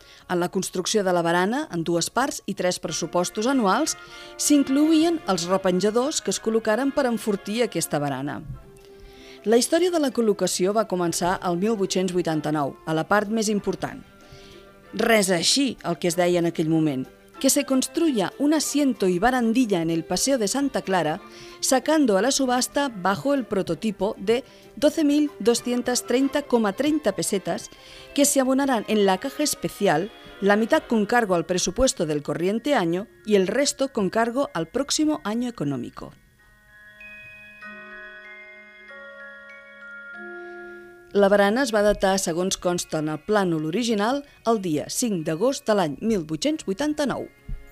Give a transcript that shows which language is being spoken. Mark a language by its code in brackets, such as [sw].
[ca] En la construcció de la barana, en dues parts i tres pressupostos anuals, s'incloïen els repenjadors que es col·locaren per enfortir aquesta barana. La història de la col·locació va començar el 1889, a la part més important. Res així el que es deia en aquell moment. [es] Que se construya un asiento y barandilla en el Paseo de Santa Clara, sacando a la subasta bajo el prototipo de 12.230,30 pesetas que se abonarán en la caja especial, la mitad con cargo al presupuesto del corriente año y el resto con cargo al próximo año económico. [ca] La barana es va datar, segons consta en el plànol original, el dia 5 d'agost de l'any 1889.